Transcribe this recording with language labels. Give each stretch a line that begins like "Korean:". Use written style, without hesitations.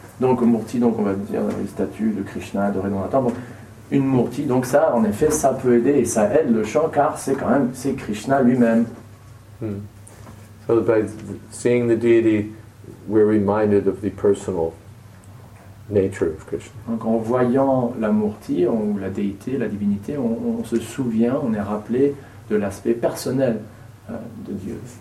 French: Donc Murti, donc on va dire la statue de Krishna adorée dans la tombe. Une Murti, donc ça, en effet, ça peut aider et ça aide le chant, car c'est quand même c'est Krishna lui-même.
English: So by seeing the deity, we're reminded of the personal nature of Krishna.
French: Donc en voyant la Murti, ou la déité, la divinité, on se souvient, on est rappelé de l'aspect personnel de Dieu.